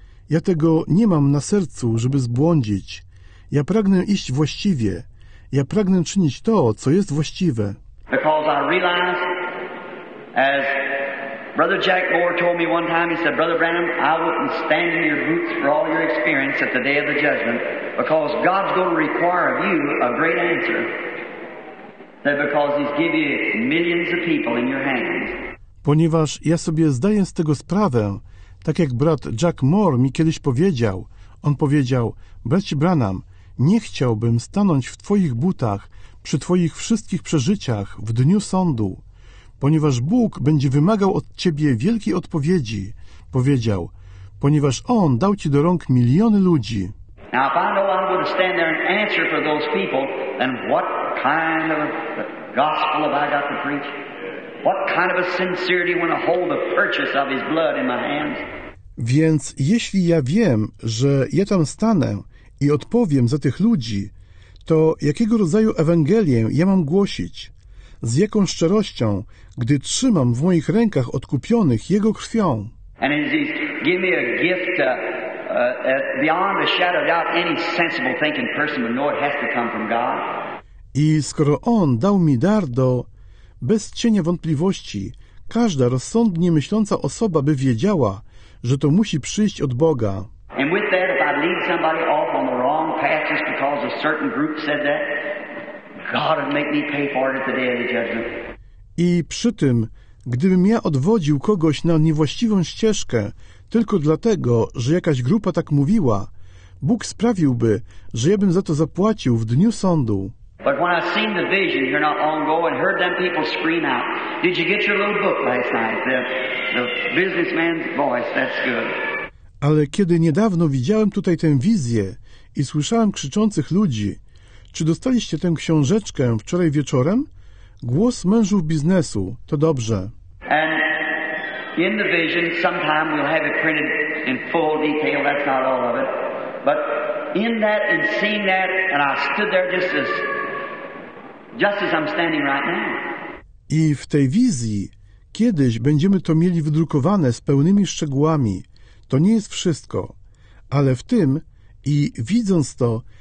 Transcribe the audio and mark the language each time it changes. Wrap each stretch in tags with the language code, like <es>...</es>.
<pl>Ja tego nie mam na sercu, żeby zbłądzić. Ja pragnę iść właściwie. Ja pragnę czynić to, co jest właściwe.</pl> <en>Because I realize, as Brother Jack Moore told me one time, he said, Brother Branham, I wouldn't stand in your boots for all your experience at the day of the judgment, because God's going to require of you a great answer. That because he's given you millions of people in your hands.</en> <pl>Ponieważ ja sobie zdaję z tego sprawę, tak jak brat Jack Moore mi kiedyś powiedział, on powiedział, bracie Branham, nie chciałbym stanąć w twoich butach przy twoich wszystkich przeżyciach w dniu sądu, ponieważ Bóg będzie wymagał od ciebie wielkiej odpowiedzi, powiedział, ponieważ on dał ci do rąk miliony ludzi.</pl> <en>Now if I know I'm going to stand there and answer for those people, then what kind of a gospel have I got to preach? What kind of a sincerity when I hold the purchase of his blood in my hands?</en> <pl>Więc jeśli ja wiem, że ja tam stanę i odpowiem za tych ludzi, to jakiego rodzaju Ewangelię ja mam głosić? Z jaką szczerością, gdy trzymam w moich rękach odkupionych jego krwią?</pl> <en>And he's given me a gift beyond a shadow of doubt, any sensible thinking person would know it has to come from God.</en> <pl>I skoro on dał mi dar do bez cienia wątpliwości, każda rozsądnie myśląca osoba by wiedziała, że to musi przyjść od Boga.</pl> <en>And with that, if I lead somebody off on the wrong path just because a certain group said that, God would make me pay for it at the day of the judgment.</en> <pl>I przy tym, gdybym ja odwodził kogoś na niewłaściwą ścieżkę tylko dlatego, że jakaś grupa tak mówiła, Bóg sprawiłby, że ja bym za to zapłacił w dniu sądu.</pl> <en>But when I seen the vision here not long ago and heard them people scream out, did you get your little book last night? The businessman's voice, that's good.</en> <pl>Ale kiedy niedawno widziałem tutaj tę wizję i słyszałem krzyczących ludzi, czy dostaliście tę książeczkę wczoraj wieczorem? Głos mężów biznesu, to dobrze.</pl> <en>And in the vision, sometime we'll have it printed in full detail, that's not all of it. But in that and seeing that, and I stood there just as I'm standing right now.</en> <pl>I w tej wizji kiedyś będziemy to mieli wydrukowane z pełnymi szczegółami. To nie jest wszystko. Ale w tym i widząc to,</pl>